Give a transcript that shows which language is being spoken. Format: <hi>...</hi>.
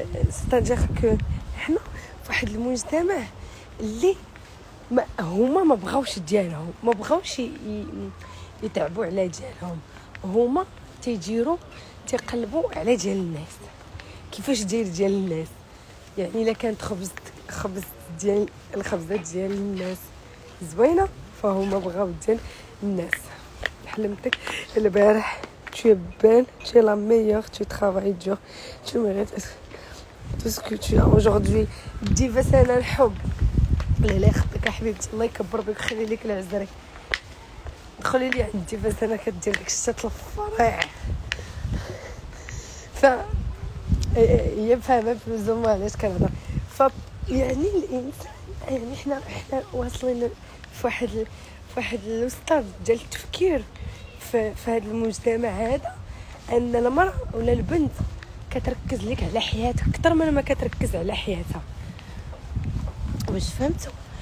<ar>ستاجير كو حنا فواحد المجتمع اللي ما هما ما بغاوش ديالهم، ما بغاوش يتعبوا على ديالهم، هما تيديروا تيقلبوا على ديال الناس. كيفاش داير ديال الناس؟ يعني الا كانت خبز ديال الخبزات ديال الناس زوينه فهما بغاو ديال الناس. حلمتك البارح</ar> <fr>tu es belle, tu es la meilleure, tu travailles dur, tu mérites tout ce que tu as aujourd'hui. Diva c'est la</fr> <ar>حب لالا يخطيك حبيبتي الله يكبر بك ويخلي لك العزري. دخلي لي عند ديفا سنا كدير لك شتات الفرع ف هي فاهمه بلوزوم علاش كنهضر. ف يعني الانسان يعني حنا واصلين فواحد الوسطاد ديال التفكير في هذا المجتمع هذا، ان المراه ولا البنت كتركز لك على حياتها اكثر من ما كتركز على حياتها. واش فهمتوا؟</ar>